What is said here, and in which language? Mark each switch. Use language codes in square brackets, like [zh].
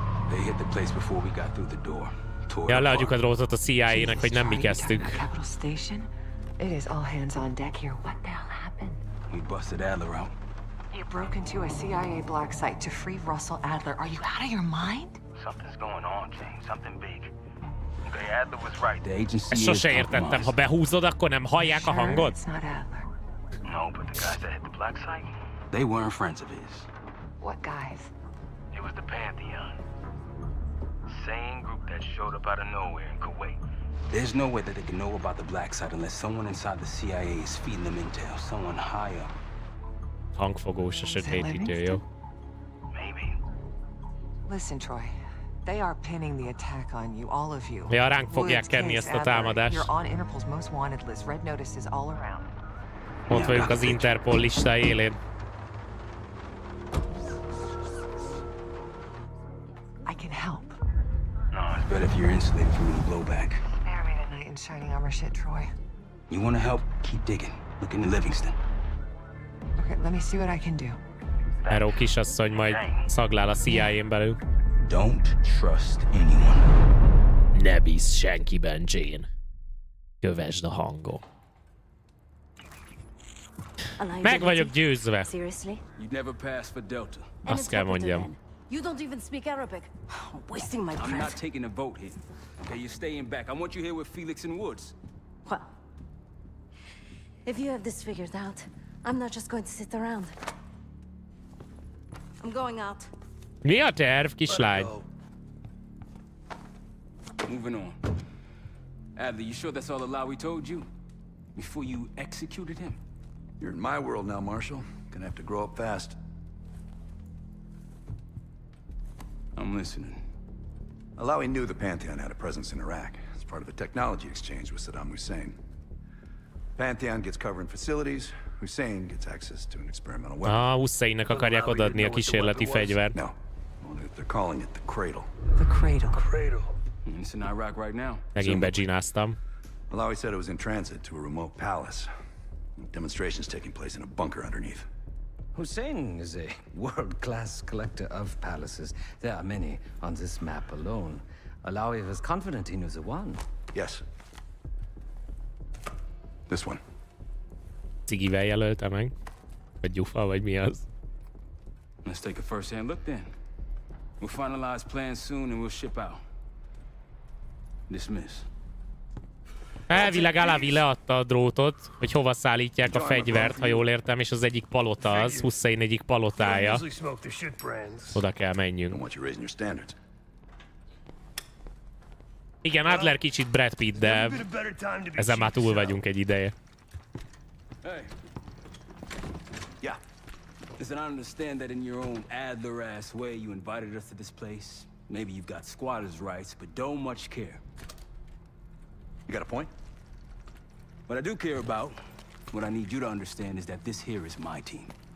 [en] They hit the place before we got through the door. [hu] Ja, leadjuk a drótot a CIA-nek, hogy nem mi kezdtük. [en] Capital Station? It is all hands on deck here. What the hell happened? We busted Adler out. You broke into a CIA black site to free Russell Adler. Are you out of your mind? Something's going on, Jane. Something big. Okay, Adler was right. The agency. [hu] Ezt sose értettem. Ha behúzod, akkor nem hallják a hangot? [en] No, but the guys that hit the black site? They weren't friends of his. What guys? It was the Pantheon. Same group that showed up out of nowhere in Kuwait. There's no way that they can know about the black site unless someone inside the CIA is feeding them intel. Someone higher. [hu] Hangfogós a sötétítő, jó? [en] Maybe. Listen, Troy. They are pinning the attack on you, all of you. [hu] Ja, ránk fogják kenni ezt a támadást. [en] You're on Interpol's most wanted list. Red notices all around. [hu] Ott vagyunk az Interpol lista élén. [en] I can help. No, it's better if you're insulated from the blowback. Spare me the night in shining armor shit, Troy. You want to help? Keep digging. Look into Livingston. Okay, let me see what I can do. [hu] Erő kisasszony majd szaglál a CIA-n belül. [en] Don't trust anyone. [hu] Ne bízz senkiben, Jane. Kövesd a hangom. Meg vagyok győzve. [en] You'd never pass for Delta. [hu] Azt kell mondjam. [en] You don't even speak Arabic. Wasting my breath. I'm not taking a vote here. Okay, you're staying back. I want you here with Felix and Woods. Well, if you have this figured out, I'm not just going to sit around. I'm going out. [hu] Mi a terv, kislány? [en] Moving on. Adler, you sure that's all Alawi told you? Before you executed him? You're in my world now, Marshall. Gonna have to grow up fast. I'm listening. Alawi knew the Pantheon had a presence in Iraq. It's part of a technology exchange with Saddam Hussein. Pantheon gets cover in facilities. Hussein gets access to an experimental weapon. [hu] Ah, Husseinnek akarják odaadni a kísérleti fegyvert. [en] No. They're calling it the cradle. The cradle. Cradle. It's in Iraq right now. [hu] Megint begyináztam. [en] Alawi said it was in transit to a remote palace. Demonstrations taking place in a bunker underneath. Hussein is a world-class collector of palaces. There are many on this map alone. Alawi was confident he knew the one. Yes. This one. [hu] Cigivel jelölte meg? Vagy gyufa, vagy mi az? [en] Let's take a first-hand look then. We'll finalize plans soon and we'll ship out. Dismiss. [hu] Elvileg Alavi leadta a drótot, hogy hova szállítják a fegyvert, ha jól értem, és az egyik palota az, Hussein egyik palotája. Oda kell menjünk. Igen, Adler kicsit Brad Pitt, de ezen már túl vagyunk egy ideje. [en] Is it not understand that in your own Adler-ass way you invited us to this place? Maybe you've got squatter's rights, but don't much care. You got a point? What I do care about, what I need you to understand, is that this here is my team.